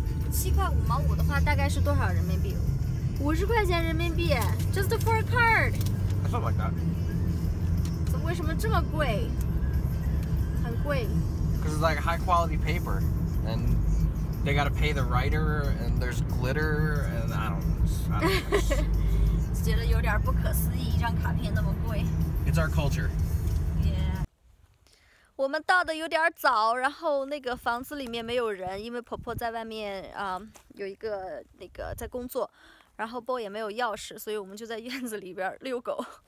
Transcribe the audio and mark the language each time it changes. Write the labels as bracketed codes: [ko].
[zh] 7.55的话大概是多少人民币？ 50块钱人民币 ， [en] just for a card。 Something like that。 [zh] 怎么为什么这么贵？很贵。 [en] Because it's like high quality paper, and they gotta pay the writer, and there's glitter, and I don't know. [zh] 觉得有点不可思议，一张卡片那么贵。 [en] It's our culture. Yeah. [zh] 我们到的有点早，然后那个房子里面没有人，因为婆婆在外面有一个那个在工作，然后 boy 也没有钥匙，所以我们就在院子里边遛狗。